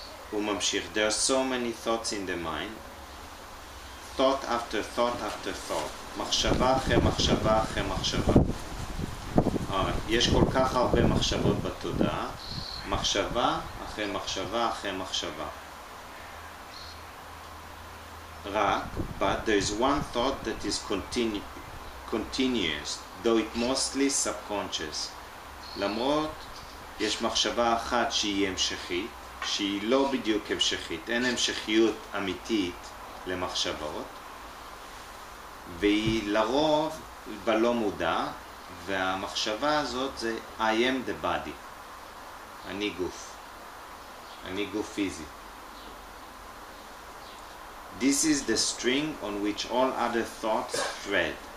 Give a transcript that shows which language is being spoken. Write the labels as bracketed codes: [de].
[he] הוא ממשיך, [en] there are so many thoughts in the mind, thought after thought after thought, [he] מחשבה אחרי מחשבה אחרי מחשבה. יש כל כך הרבה מחשבות בתודעה, מחשבה אחרי מחשבה אחרי מחשבה. רק, [en] but there is one thought that is continuous, though it mostly subconscious. [he] למרות, יש מחשבה אחת שהיא המשכית, שהיא לא בדיוק המשכית, אין המשכיות אמיתית למחשבות, והיא לרוב בלא מודע, והמחשבה הזאת זה [en] I am the body, [he] אני גוף, אני גוף פיזי. [en] This is the string on which all other thoughts thread.